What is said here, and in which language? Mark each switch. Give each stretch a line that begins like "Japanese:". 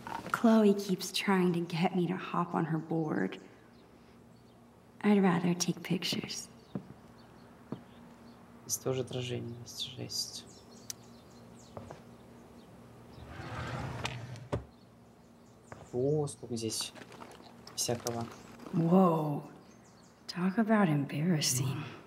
English: Chloe keeps trying to get me to hop on her board. I'd rather take pictures.
Russian: Здесь тоже отражение есть, жесть. О, сколько здесь всякого.
English: Whoa. Talk about embarrassing.